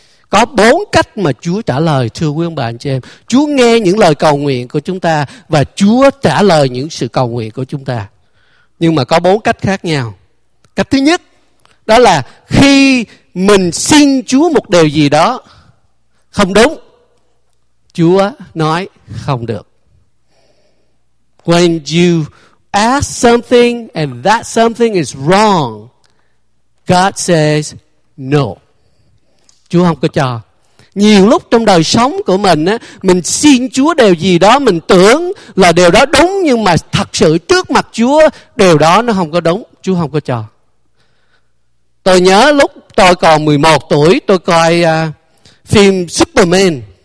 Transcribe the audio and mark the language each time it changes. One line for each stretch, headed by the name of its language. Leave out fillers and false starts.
Vietnamese: Có 4 cách mà Chúa trả lời, thưa quý ông bà anh chị em. Chúa nghe những lời cầu nguyện của chúng ta và Chúa trả lời những sự cầu nguyện của chúng ta. Nhưng mà có 4 cách khác nhau. Cách thứ nhất, đó là khi mình xin Chúa một điều gì đó không đúng, Chúa nói không được.
English: When you ask something and that something is wrong, God says no.
Vietnamese: Chúa không có cho. Nhiều lúc trong đời sống của mình á, mình xin Chúa điều gì đó, mình tưởng là điều đó đúng, nhưng mà thật sự trước mặt Chúa, điều đó nó không có đúng. Chúa không có cho. Tôi nhớ lúc tôi còn 11 tuổi, tôi coi phim Superman.